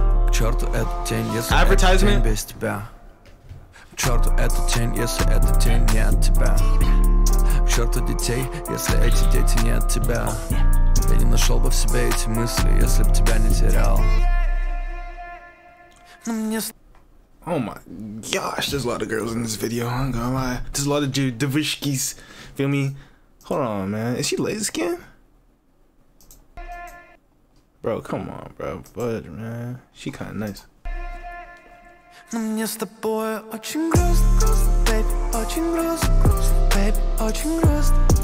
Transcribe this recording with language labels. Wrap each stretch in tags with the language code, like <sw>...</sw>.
<en>Advertisement.</en> <ru>Черту эту тень, если это тень не от тебя. черту детей, если эти дети не от тебя. Я не нашел бы в себе эти мысли, если б тебя не терял. Но мне...</ru> <en>Oh my gosh, there's a lot of girls in this video, I'm gonna lie. There's a lot of</en> <ru>девушкис,</ru> <en>feel me? Hold on, man, is she light skin? Bro, come on, bro, but, man, she kinda nice.</en> <ru>Но мне с тобой очень грустно, грустно, baby, очень грустно, грустно, baby, очень грустно.</ru>